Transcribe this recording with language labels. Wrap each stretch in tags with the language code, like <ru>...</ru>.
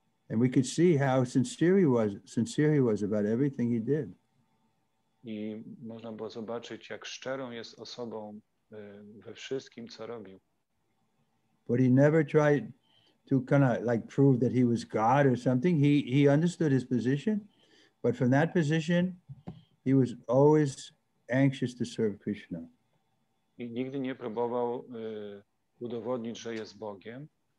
<en>And we could see how sincere he was about everything he did.</en> <pl>I można było zobaczyć, jak szczerą jest osobą we wszystkim, co robił.</pl> <en>But he never tried to kind of like prove that he was God or something. He understood his position, but from that position, he was always anxious to serve Krishna.</en> <pl>I nigdy nie próbował udowodnić, że jest Bogiem.</pl>